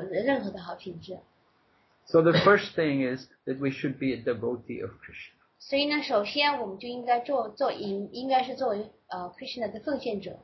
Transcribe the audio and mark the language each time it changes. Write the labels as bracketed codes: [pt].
[zh] 但是呢，如果一个人不是奉献者的话，即便他完美的履行了自己所有的责任，他仍然有任何的好品质。 [en] So the first thing is that we should be a devotee of Krishna. [zh] 所以呢，首先我们就应该是作为Krishna 的奉献者。